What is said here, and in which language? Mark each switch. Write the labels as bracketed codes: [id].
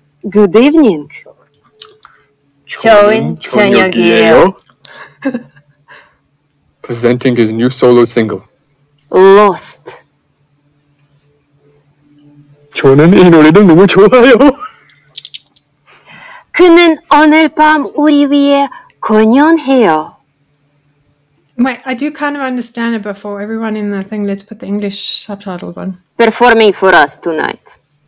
[en] Good evening. [ko] 좋은 저녁이에요. [en] Presenting his new solo single. Lost. [ko] 저는 이 노래를 너무 좋아요. 그는 오늘 밤 우리 위해 공연해요. [en] Wait, I do kind of understand it, but for everyone in the thing, let's put the English subtitles on. Performing for us tonight.